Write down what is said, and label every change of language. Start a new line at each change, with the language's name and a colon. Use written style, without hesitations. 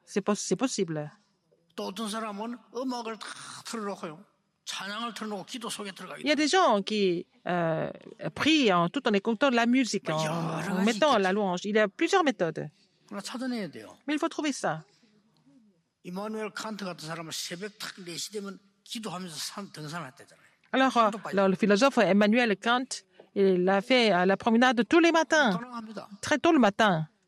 French: C'est possible. Il y a des gens qui prient tout en écoutant la musique, en mettant la louange. Il y a plusieurs méthodes. Mais il faut trouver ça.
Korean: Immanuel Kant 같은 사람은 새벽 탁 4시 되면 기도하면서 산 등산했대잖아요.
French: Alors, le philosophe Immanuel Kant, il a fait la promenade tous les matins, très tôt le matin.